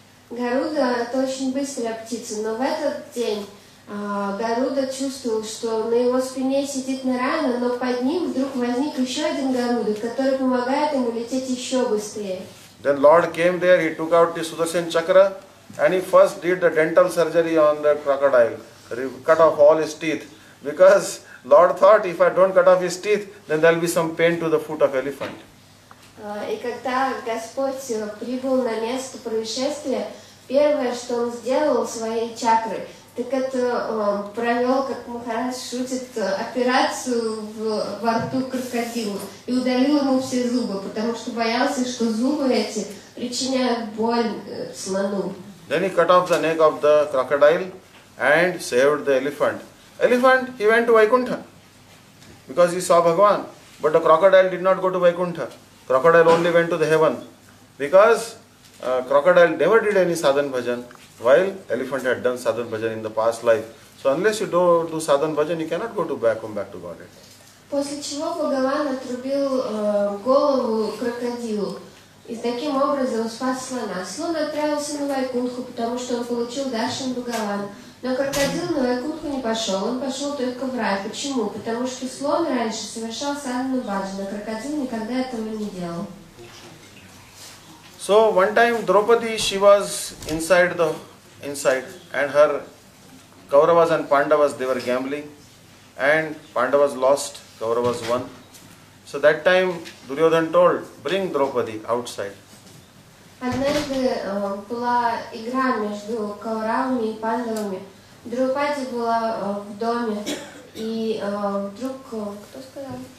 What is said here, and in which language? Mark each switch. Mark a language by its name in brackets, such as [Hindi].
[Russian] Гаруда – это очень быстрая птица, но в этот день Гаруда чувствовал, что на его спине сидит Нараяна, но под ним вдруг возник еще один Гаруда, который помогает ему лететь еще быстрее. [English] Then Lord came there, he took out the Sudarshan Chakra and he first did the dental surgery on the crocodile. He cut off all his teeth because Lord thought if I don't cut off his teeth, then there will be some pain to the foot of elephant. [Russian] И когда Господь прибыл на место происшествия, первое, что Он сделал своей чакры, так это провел, как Махарадж шутит, операцию во рту крокодила и удалил ему все зубы, потому что боялся, что зубы эти причиняют боль слону. [English] Then he cut off the neck of the crocodile and saved the elephant. Elephant, he went to Vaikuntha because he saw Bhagwan, but the crocodile did not go to Vaikuntha. Crocodile only went to the heaven because crocodile never did any sadhan bhajan while elephant had done sadhan bhajan in the past life. So unless you do sadhan bhajan, you cannot come back to Godhead. [Russian] После чего Бхагаван отрубил голову крокодилу и таким образом спас слона. Слон отправился на Вайкунху, потому что он получил даршан Бхагаван. Но крокодил на Вайкунху не пошел, он пошел только в рай. Почему? Потому что слон раньше совершал садхану баджан, а крокодил никогда этого не делал. [English] So one time Draupadi, she was inside and her Kauravas and Pandavas, they were gambling and Pandavas lost, Kauravas won. So that time Duryodhan told, bring Draupadi outside. [Russian] Однажды была игра между Кауравами и Пандавами. Драупади была в доме, и вдруг, кто сказал?